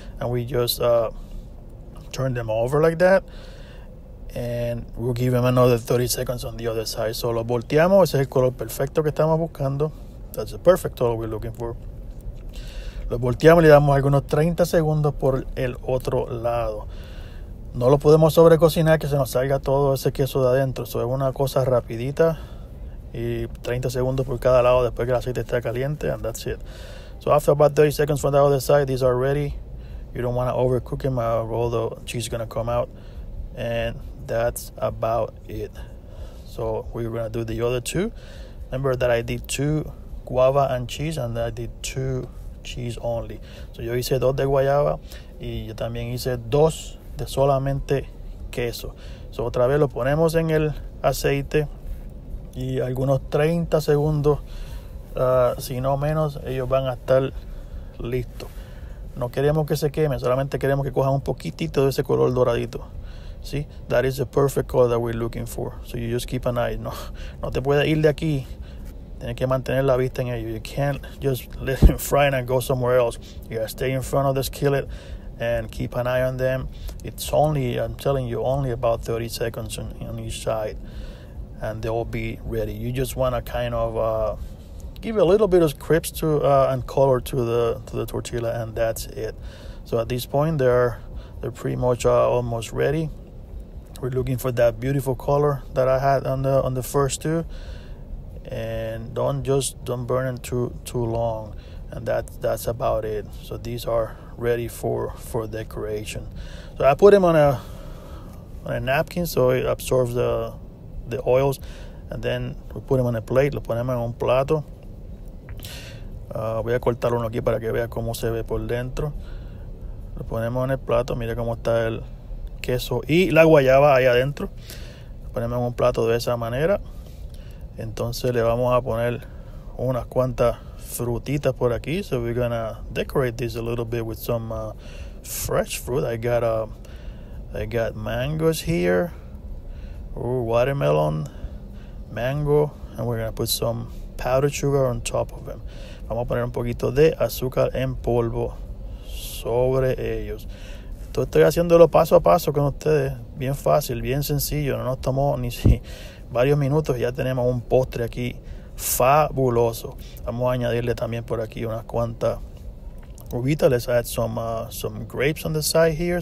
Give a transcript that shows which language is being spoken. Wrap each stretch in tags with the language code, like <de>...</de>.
<en>And we just turn them over like that. And we'll give them another 30 seconds on the other side.</en> <es>So lo volteamos. Ese es el color perfecto que estamos buscando.</es> <en>That's the perfect color we're looking for.</en> <es>Lo volteamos y le damos algunos 30 segundos por el otro lado. No lo podemos sobrecocinar que se nos salga todo ese queso de adentro. Eso es una cosa rapidita. Y 30 segundos por cada lado después que el aceite está caliente.</es> <en>And that's it. So after about 30 seconds from the other side, these are ready. You don't want to overcook them or all the cheese is going to come out. And that's about it. So we're going to do the other two. Remember that I did two guava and cheese and I did two cheese only.</en> <es>So yo hice dos de guayaba y yo también hice dos de solamente queso. So otra vez lo ponemos en el aceite y algunos 30 segundos, si no menos, ellos van a estar listos. No queremos que se queme, solamente queremos que cojan un poquitito de ese color doradito.</es> <en>See, that is the perfect color that we're looking for. So you just keep an eye.</en> <es>No te puedes ir de aquí. Tienes que mantener la vista en ello.</es> <en>You can't just let them fry and go somewhere else. You gotta stay in front of the skillet and keep an eye on them. It's only, I'm telling you, only about 30 seconds on each side, and they'll be ready. You just want to kind of give a little bit of crisp to and color to the tortilla, and that's it. So at this point, they're pretty much almost ready. We're looking for that beautiful color that I had on the first two. And don't burn them too long. And that's about it. So these are ready for decoration. So I put them on a napkin so it absorbs the oils. And then we put them on a plate.</en> <es>Lo ponemos en un plato. Voy a cortar uno aquí para que vea cómo se ve por dentro. Lo ponemos en el plato. Mira cómo está el queso y la guayaba ahí adentro. Lo ponemos en un plato de esa manera. Entonces le vamos a poner unas cuantas frutitas por aquí.</es> <en>So we're going to decorate this a little bit with some fresh fruit. I got mangoes here. Ooh, watermelon, mango. And we're going to put some powdered sugar on top of them.</en> <es>Vamos a poner un poquito de azúcar en polvo sobre ellos. Entonces estoy haciéndolo paso a paso con ustedes. Bien fácil, bien sencillo. No nos tomó ni si... varios minutos y ya tenemos un postre aquí fabuloso. Vamos a añadirle también por aquí unas cuantas uvitas.</es> <en>Let's add some grapes on the side here.</en>